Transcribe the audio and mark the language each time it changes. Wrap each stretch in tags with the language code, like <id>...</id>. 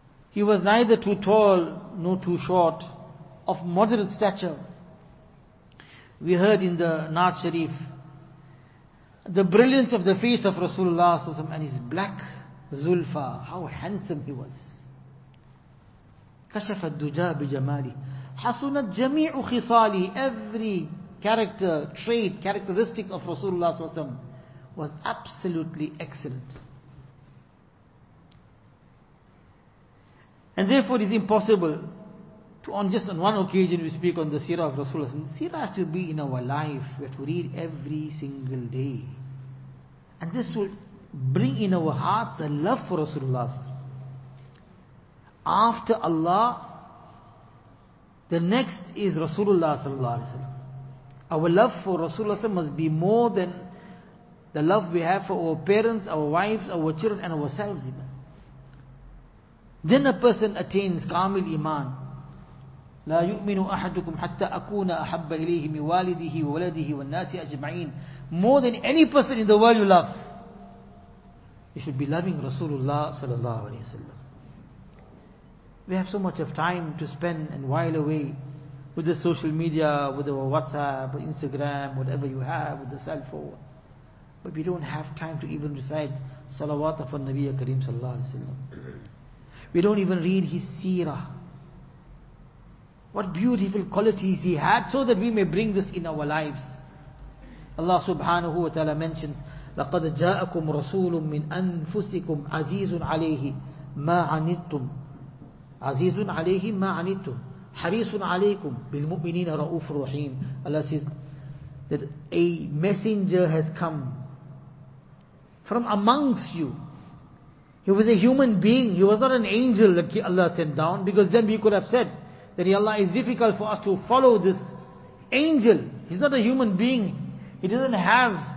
<en>He was neither too tall nor too short, of moderate stature. We heard in the Naat Sharif the brilliance of the face of Rasulullah SAW and his black zulfa, how handsome he was.</en> <ar>كَشَفَ الدُّجَى بِجَمَالِهِ حَسُنَتْ جَمِيعُ خِصَالِهِ.</ar> <en>Every character, trait, characteristic of Rasulullah SAW was absolutely excellent. And therefore it is impossible to, on just on one occasion we speak on the seerah of Rasulullah SAW. Seerah has to be in our life. We have to read every single day. And this will bring in our hearts a love for Rasulullah. After Allah, the next is Rasulullah sallallahu alaihi wasallam. Our love for Rasulullah must be more than the love we have for our parents, our wives, our children, and ourselves even. Then a person attains kamil iman.</en> <ar>لا يؤمن أحدكم حتى أكون أحب إليه من والده وولده والناس أجمعين.</ar> <en>More than any person in the world you love, you should be loving Rasulullah sallallahu alaihi wasallam. We have so much of time to spend and while away with the social media, with our WhatsApp, Instagram, whatever you have, with the cell phone. But we don't have time to even recite salawat of Nabiya Kareem sallallahu alaihi wasallam. We don't even read his seerah. What beautiful qualities he had, so that we may bring this in our lives. Allah subhanahu wa ta'ala mentions,</en> <ar>لَقَدْ جَاءَكُمْ رَسُولٌ مِّنْ أَنفُسِكُمْ عَزِيزٌ عَلَيْهِ مَا عَنِدْتُمْ عَزِيزٌ عَلَيْهِ مَا عَنِدْتُمْ حَرِيصٌ عَلَيْكُمْ بِالْمُؤْمِنِينَ رَؤُوفٌ رَحِيمٌ.</ar> <en>Allah says that a messenger has come from amongst you. He was a human being. He was not an angel that Allah sent down, because then we could have said that Ya Allah, it's difficult for us to follow this angel. He's not a human being. He doesn't have</en>